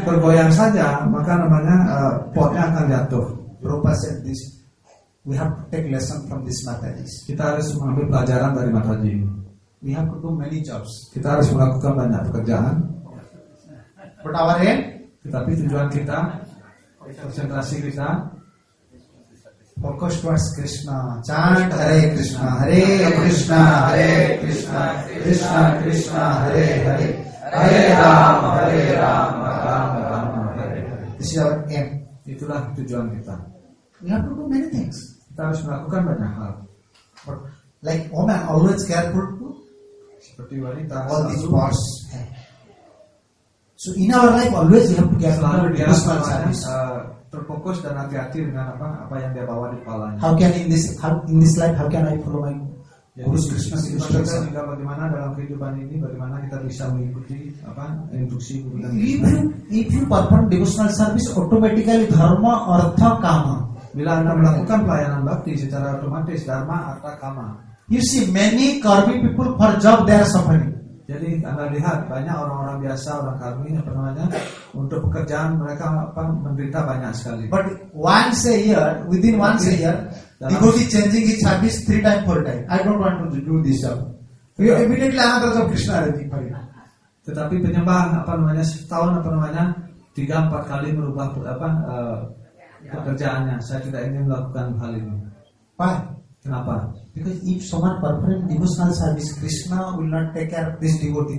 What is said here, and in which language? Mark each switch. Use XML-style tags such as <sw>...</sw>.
<id>bergoyang saja, maka namanya potnya akan jatuh.</id> <en>Prabhupada said this. We have to take lesson from this Mataji.</en> <id>Kita harus mengambil pelajaran dari Mataji.</id> <en>We have to do many jobs.</en> <id>Kita harus melakukan banyak pekerjaan.</id> <en>But our aim?</en> <id>Tetapi tujuan kita, konsentrasi kita.</id> <en>Focus towards Krishna. Chant Hare Krishna, Hare Krishna, Hare Krishna, Krishna Krishna, Hare Hare, Hare Rama, Hare Rama, Rama Rama, Hare Hare. This is our aim.</en> <id>Itulah tujuan kita.</id> <en>We have to do many things.</en> <id>Kita harus melakukan banyak hal.</id> <en>But like woman, always careful.</en> <id>Seperti wanita,</id> <en>all these parts. So in our life, always we have to careful.</en> <id>Selalu dia harus terfokus dan hati-hati dengan apa yang dia bawa di kepalanya.</id> <en>How can in this life I follow my guru Krishna instruction?</en> <id>Jadi bagaimana dalam kehidupan ini bagaimana kita bisa mengikuti apa instruksi guru</id> <en>dan if you perform devotional service automatically dharma artha kama.</en> <id>Bila anda melakukan pelayanan bhakti secara otomatis dharma artha kama.</id> <en>You see many karmic people for job they are suffering.</en> <id>Jadi anda lihat banyak orang-orang biasa orang karmi apa namanya untuk pekerjaan mereka apa menderita banyak sekali.</id> <en>But once a year, within once a year, devotee changing his habits 3 times, 4 times. I don't want to do this job. We immediately another job Krishna ready for you.</en> <id>Tetapi penyembah apa namanya setahun apa namanya 3-4 kali merubah apa pekerjaannya. Saya tidak ingin melakukan hal ini.</id> <en>Why?</en> <id>Kenapa?</id> <en>Because if someone perform devotional service, Krishna will not take care of this devotee.</en>